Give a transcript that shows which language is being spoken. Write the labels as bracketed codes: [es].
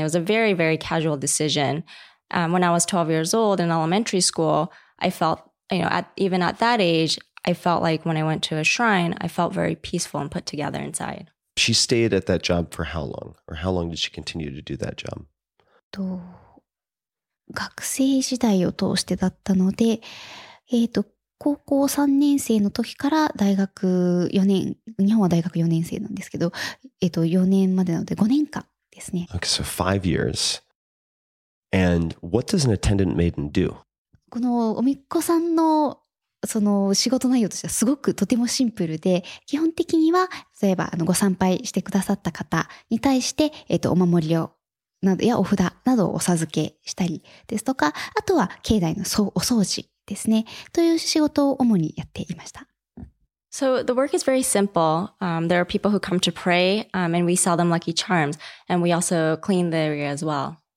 [en] It was a very, very casual decision. When I was 12 years old in elementary school, I felt, even at that age, I felt like when I went to a shrine, I felt very peaceful and put together inside. She stayed at that job for how long? Or how long did she continue to do that job? Two. [ja] 学生時代を通してだったので、高校3年生の時から大学4年、日本は大学4年生なんですけど、4年までなので5年間ですね。 [en] Okay, so 5 years. And what does an attendant maiden do? [ja] このおみっこさんのその仕事内容としてはすごくとてもシンプルで、基本的には例えばご参拝してくださった方に対して、お守りをいやお札などをお授けしたりですとか、あとは境内のお掃除ですね、という仕事を主にやっていました。 [en] So the work is very simple. There are people who come to pray, and we sell them lucky charms, and we also clean the area as well.